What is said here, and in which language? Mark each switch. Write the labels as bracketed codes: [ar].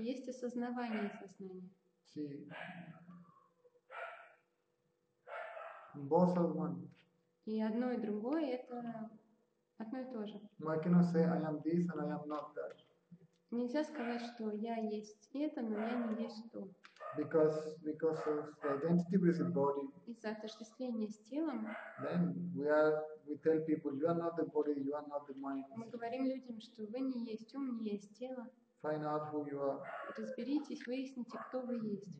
[ru] Есть осознавание сознания. [en] See, both are one. [ru] И одно и другое это одно и то же. [en] Why cannot say I am this and I am not that? [ru] Нельзя сказать, что я есть это, но я не есть то. [en] Because of the identity with the body. [ru] Из-за отождествления с телом. [en] Then we tell people you are not the body, you are not the mind. [ru] Мы говорим людям, что вы не есть ум, не есть тело. [en] Find out who you are. [ru] Разберитесь, выясните, кто вы есть.